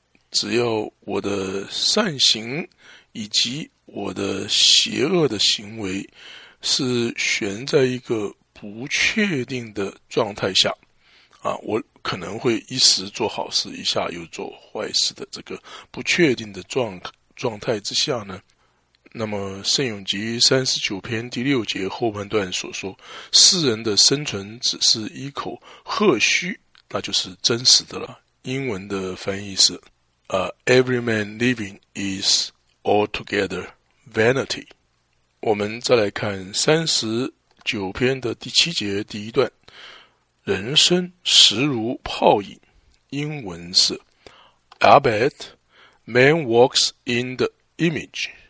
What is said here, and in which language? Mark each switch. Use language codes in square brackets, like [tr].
[zh] 只要我的善行以及我的邪恶的行为是悬在一个不确定的状态下我可能会一时做好事，一下又做坏事的这个不确定的状态之下呢，那么圣咏集39篇第6节后半段所说，世人的生存只是一口喝虚，那就是真实的了。英文的翻译是 [en] Every man living is altogether vanity。 [zh] 我们再来看39篇的7节第一段，人生实如泡影。英文是 [en] Albeit man walks in the image。